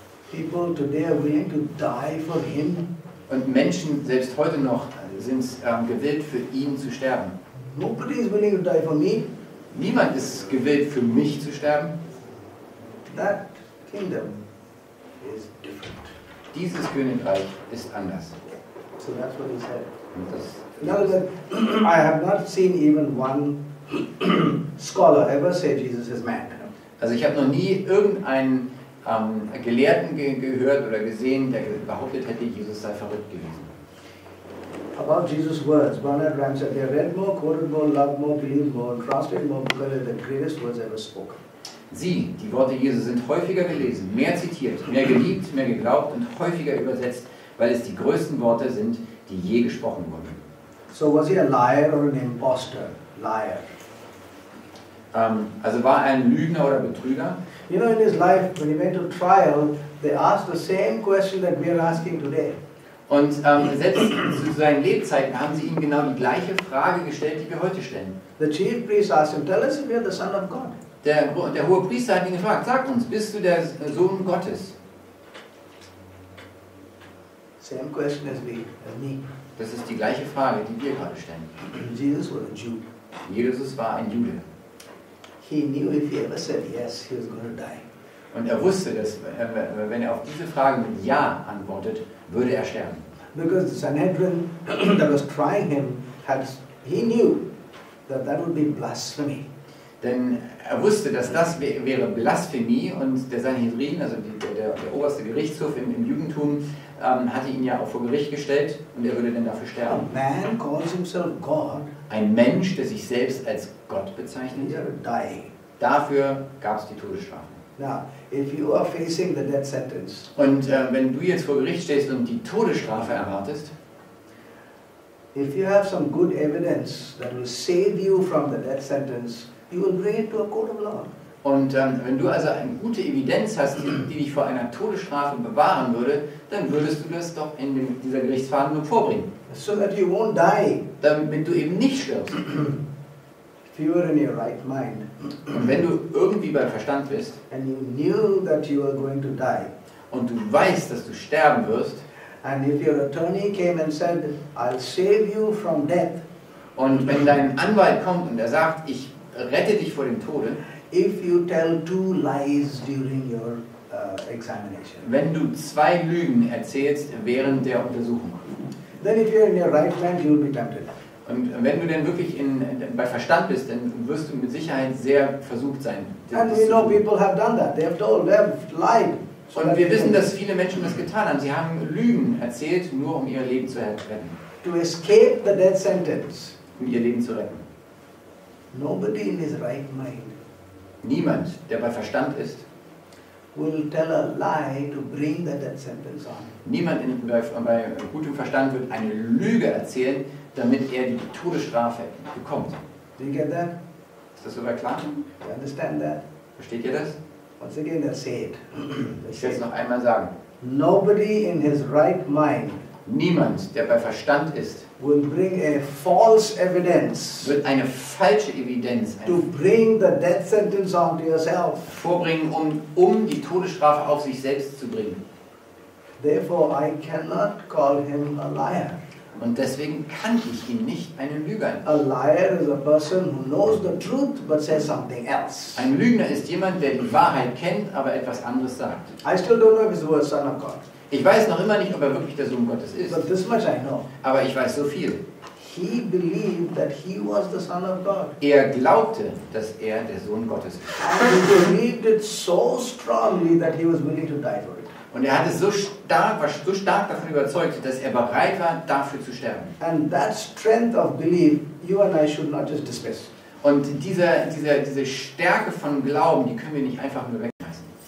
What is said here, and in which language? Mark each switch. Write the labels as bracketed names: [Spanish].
[English] People today are willing to die for him. [German] Und Menschen selbst heute noch sind gewillt für ihn zu sterben. [English] Nobody is willing to die for me. [German] Niemand ist gewillt für mich zu sterben. [English] That kingdom is different. [German] Dieses Königreich ist anders. [English] So that's what he said. [German] Und das [English] in other words, I have not seen even one scholar ever say Jesus is man. [German] Also ich habe noch nie irgendeinen Gelehrten gehört oder gesehen, der behauptet hätte, Jesus sei verrückt gewesen. [English] About Jesus' words, Bernard Graham said, they read more, quoted more, loved more, believed more, translated more because they're the greatest words ever spoken. [German] Sie, die Worte Jesu sind häufiger gelesen, mehr zitiert, mehr geliebt, mehr geglaubt und häufiger übersetzt, weil es die größten Worte sind, die je gesprochen wurden. [English] So was he a liar or an imposter? Liar. [German] Also war er ein Lügner oder Betrüger? [English] You know, in his life, when he went to trial, they asked the same question that we are asking today. [German] Und selbst zu seinen Lebzeiten haben sie ihm genau die gleiche Frage gestellt, die wir heute stellen. [English] The chief priest asked him, tell us if you're the son of God. [German] Der hohe Priester hat ihn gefragt, sag uns, bist du der Sohn Gottes? [English] Same question as me. [German] Das ist die gleiche Frage, die wir gerade stellen. [English] Jesus was a Jew. [German] Jesus war ein Jude. [English] He knew if he ever said yes, he was going to die. [German] Und er wusste, dass wenn er auf diese Fragen mit Ja antwortet, würde er sterben. [English] Because the Sanhedrin that was trying him, he knew that that would be blasphemy. [German] Denn Er wusste, dass das wäre Blasphemie, und der Sanhedrin, also der oberste Gerichtshof im Judentum, hatte ihn ja auch vor Gericht gestellt, und er würde dann dafür sterben. [English] A man calls himself God, [German] ein Mensch, der sich selbst als Gott bezeichnet, dafür gab es die Todesstrafe. [English] Now, if you are facing the death sentence, [German] und wenn du jetzt vor Gericht stehst und die Todesstrafe erwartest, [English] if you have some good evidence that will save you from the death sentence, you will bring it to a court of law. [German] Und wenn du also eine gute Evidenz hast, die dich vor einer Todesstrafe bewahren würde, dann würdest du das doch in dieser Gerichtsverhandlung vorbringen. [English] So that you won't die. [German] Damit du eben nicht stirbst. [English] If you were in your right mind. [German] Und wenn du irgendwie bei Verstand bist. [English] And you knew that you were going to die. [German] Und du weißt, dass du sterben wirst. [English] And if your attorney came and said, I'll save you from death. [German] Und wenn dein Anwalt kommt und er sagt, ich rette dich vor dem Tode. [English] If you tell two lies during your examination. [German] Wenn du zwei Lügen erzählst während der Untersuchung. [English] Then if you're in your right mind, you'll be tempted. [German] Und wenn du denn wirklich bei Verstand bist, dann wirst du mit Sicherheit sehr versucht sein. [English] And we know people have done that. They have lied. [German] So und wir wissen, dass viele Menschen das getan haben. Sie haben Lügen erzählt, nur um ihr Leben zu retten. [English] To escape the death sentence. [German] Um ihr Leben zu retten. [English] Nobody in his right mind. [German] Niemand, der bei Verstand ist, [English] will tell a lie to bring the death sentence on. [German] Niemand bei gutem Verstand wird eine Lüge erzählen, damit er die Todesstrafe bekommt. [English] Do you get that? [German] Ist das soweit klar? [English] You understand that? [German] Versteht ihr das? [English] Once again, they say it. [German] Ich will es noch einmal sagen. [English] Nobody in his right mind. [German] Niemand, der bei Verstand ist, [English] will bring a false evidence, [German] wird eine falsche Evidenz [English] to bring the death sentence on yourself, [German] vorbringen, um die Todesstrafe auf sich selbst zu bringen. [English] Therefore, I cannot call him a liar. [German] Und deswegen kann ich ihn nicht einen Lügner nennen. [English] A liar is a person who knows the truth but says something else. [German] Ein Lügner ist jemand, der die Wahrheit kennt, aber etwas anderes sagt. [English] I still don't know if he's the son of God. [German] Ich weiß noch immer nicht, ob er wirklich der Sohn Gottes ist. [English] But this much I know. [German] Aber ich weiß so viel. [English] He believed that he was the son of God. [German] Er glaubte, dass er der Sohn Gottes ist. [English] And he believed it so strongly that he was willing to die for it. [German] Und er hatte so stark davon überzeugt, dass er bereit war, dafür zu sterben. [English] And that strength of belief, you and I should not just dismiss. [German] Und diese Stärke von Glauben, die können wir nicht einfach nur wegreißen.